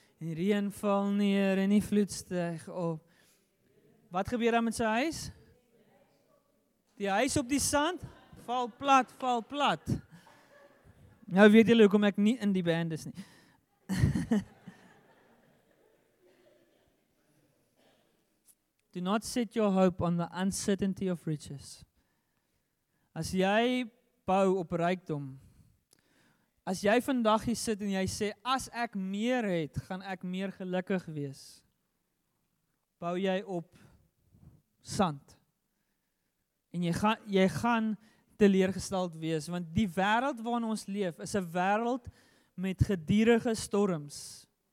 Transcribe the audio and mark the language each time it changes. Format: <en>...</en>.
<af>En die reën val neer en die vloed styg op. Wat gebeur dan met sy huis? Die huis op die sand val plat. Nou weet julle hoekom ek nie in die band is nie.</af> <en>Do not set your hope on the uncertainty of riches.</en> <af>As jy bou op rykdom, as jy vandag hier sit en jy sê, as ek meer het, gaan ek meer gelukkig wees, bou jy op sand. En jy gaan teleergesteld wees, want die wêreld waarin ons leef, is 'n wêreld met gedurende storms.</af>